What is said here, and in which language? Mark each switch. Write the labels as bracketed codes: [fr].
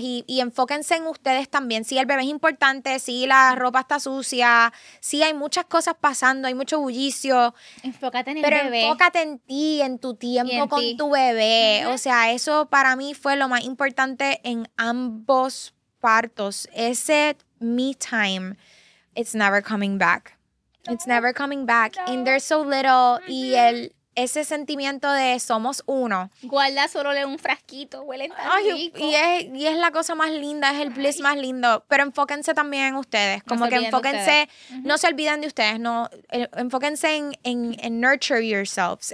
[es] Y enfóquense en ustedes también. Sí, el bebé es importante. Sí, la ropa está sucia. Sí, hay muchas cosas pasando. Hay mucho bullicio. Enfócate en el bebé. Pero enfócate en ti, en tu tiempo con tu bebé. O sea, eso para mí fue lo más importante en ambos partos. [en] Ese me time, it's never coming back. It's never coming back. And they're so little. Mm-hmm. [es] Y el... ese sentimiento de somos uno. Guarda solo en un frasquito, huelen tan ay, rico. Y es la cosa más linda, es el bliss más lindo. Pero enfóquense también en ustedes. Como no que enfóquense, uh-huh, no se olviden de ustedes. No, enfóquense en [en] nurture yourselves.